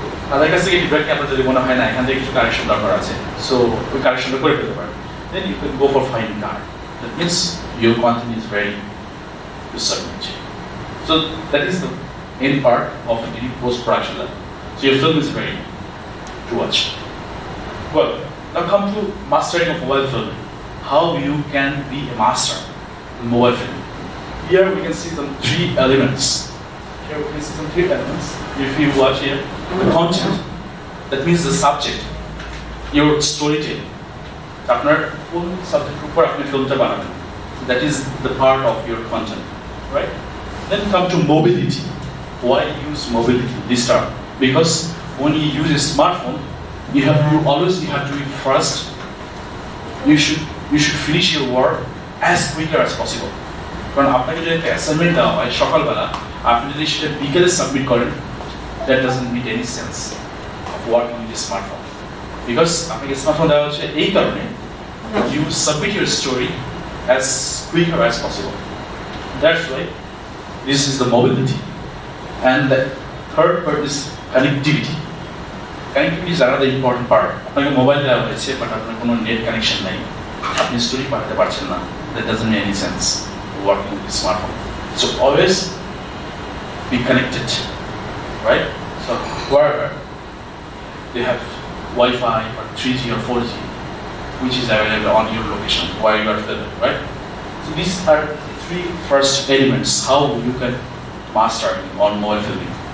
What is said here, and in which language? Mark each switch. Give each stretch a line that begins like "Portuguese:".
Bangla: তাদের কাছ থেকে ফিডব্যাক নিয়ে আপনার যদি মনে হয় না এখান থেকে কিছু কারেকশন দরকার আছে, সো ওই কারেকশনটা করে ফেলতে পারেন,
English: Then you can go for fine card, that means your content is ready to submit. So that is the end part of any post production level, so your film is ready to watch. Well, now come to mastering of mobile film, how you can be a master mobile film. Here we can see some three elements. If you watch here, the content, that means the subject, your storytelling.
Bangla: আপনার কোন সাবজেক্টের উপর আপনি ফিল্মটা বানাবেন,
English: That is the part of your content, right? Then come to mobility, why use mobility this term, because when you use a smartphone you have to always you have to be fast, you should finish your work as quicker as possible.
Bangla: কারণ আপনাকে যদি একটা assignment দেওয়া হয় সকালবেলা, আপনি যদি সেটা বিকেলে সাবমিট করেন,
English: that doesn't meet any sense of working with smartphone,
Bangla: because আপনাকে স্মার্টফোন দেওয়া হচ্ছে এই কারণে,
English: You submit your story as quick as possible, that's why this is the mobility. And the third part is connectivity, connectivity is another important part.
Bangla: আপনাকে mobile দেওয়া হয়েছে but আপনার কোনো নেট কানেকশন নেই, আপনি স্টোরি পাঠাতে পারছেন না,
English: That doesn't meet any sense working with the smartphone. So always be connected, right? So wherever you have Wi-Fi or 3G or 4G, which is available on your location while you are filming, right? So these are the three first elements how you can master on mobile filming.